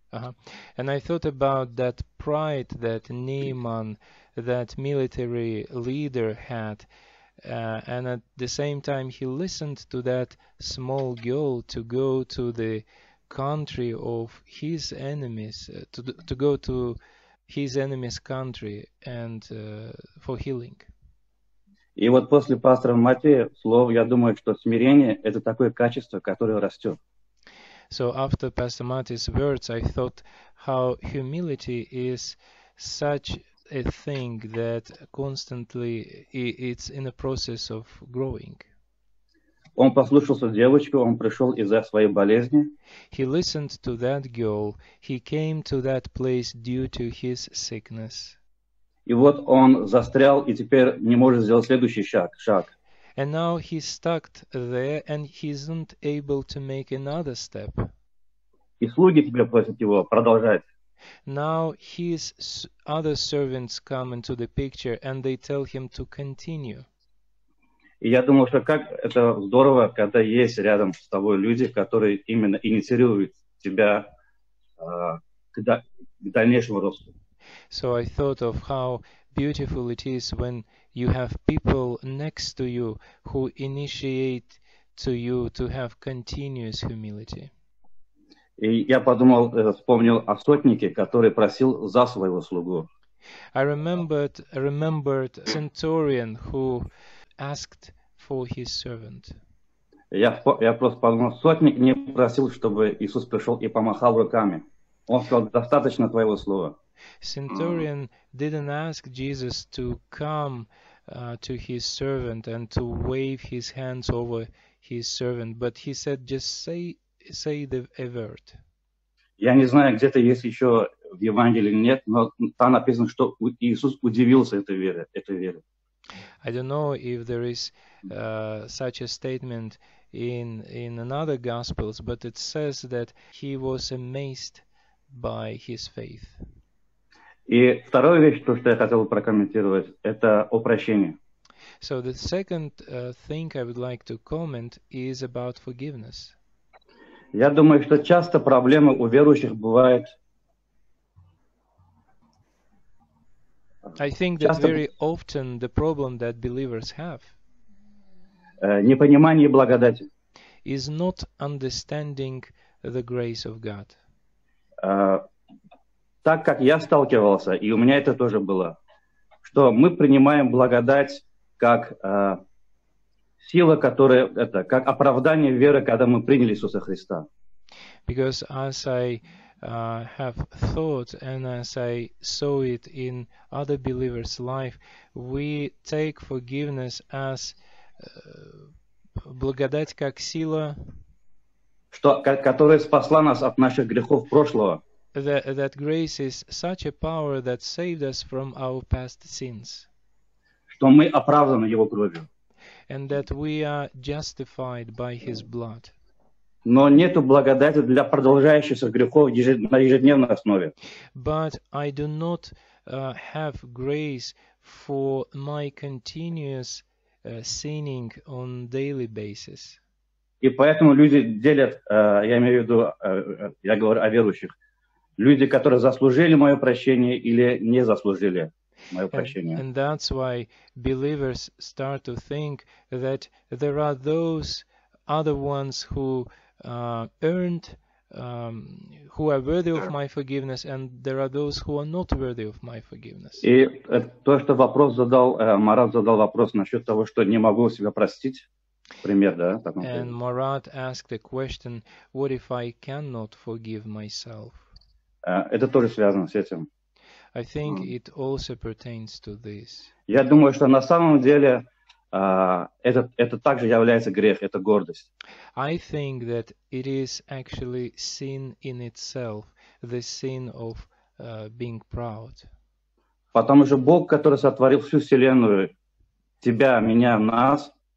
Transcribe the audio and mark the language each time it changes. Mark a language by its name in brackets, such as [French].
[English] And I thought about that pride that Neiman, that military leader had, and at the same time he listened to that small girl to go to the country of his enemies, to go to his enemy's country and for healing. [Russian] И вот после пастора Матвея слов, я думаю, что смирение – это такое качество, которое растет. [English] So after Pastor Matti's words, I thought how humility is such a thing that constantly it's in a process of growing. [Russian] Он послушался девочку, он пришел из-за своей болезни. [English] He listened to that girl. He came to that place due to his sickness. [Russian] И вот он застрял и теперь не может сделать следующий шаг. [English] And now he's stuck there and he isn't able to make another step. [Russian] И слуги тебя просят его продолжать. [English] Now his other servants come into the picture and they tell him to continue. [Russian] И я думал, что как это здорово, когда есть рядом с тобой люди, которые именно инициируют тебя к дальнейшему росту. [English] So I thought of how beautiful it is when you have people next to you who initiate to you to have continuous humility. [Russian] И я подумал, вспомнил о сотнике, который просил за своего слугу. [English] I remembered a centurion who asked for his servant. [Russian] Я просто подумал, сотник не просил, чтобы Иисус пришел и помахал руками. Он сказал, достаточно твоего слова. [English] Centurion didn't ask Jesus to come to his servant and to wave his hands over his servant, but he said, just say the word. [Russian] Я не знаю, где-то есть еще в Евангелии нет, но там написано, что Иисус удивился этой вере. [English] I don't know if there is such a statement in another Gospels, but it says that he was amazed by his faith. [Russian] И вторая вещь, то, что я хотел прокомментировать, это о прощении. [English] So the second thing I would like to comment is about forgiveness. [Russian] Я думаю, что часто проблемы у верующих бывают... [English] I think that very often the problem that believers have... [Russian] Непонимание благодати. [English] Is not understanding the grace of God. [Russian] Так как я сталкивался, и у меня это тоже было, что мы принимаем благодать как сила, которая это как оправдание веры, когда мы приняли Иисуса Христа. [English] Because as I have thought and as I saw it in other believers' life, we take forgiveness as [Russian] благодать как сила, которая спасла нас от наших грехов прошлого. [English] That grace is such a power that saved us from our past sins. [Russian] Что мы оправданы Его кровью. [English] And that we are justified by His blood. [Russian] Но нету благодати для продолжающихся грехов на ежедневной основе. [English] But I do not have grace for my continuous sinning on daily basis. [Russian] И поэтому люди делят, я имею в виду, я говорю о верующих, люди, которые заслужили мое прощение или не заслужили мое прощение. [English] And that's why believers start to think that there are those other ones who earned, who are worthy of my forgiveness, and there are those who are not worthy of my forgiveness. [Russian] И то, что вопрос задал, Марат задал вопрос насчет того, что не могу себя простить. Пример, да, [English] and Marat asked the question, what if I cannot forgive myself? [Russian] Это тоже связано с этим. [English] I think it also pertains to this. [Russian] Я думаю, что на самом деле это также является грех, это гордость. [English] I think that it is actually sin in itself, the sin of being proud. [Russian] Потому что Бог, который сотворил всю вселенную, тебя, меня, нас,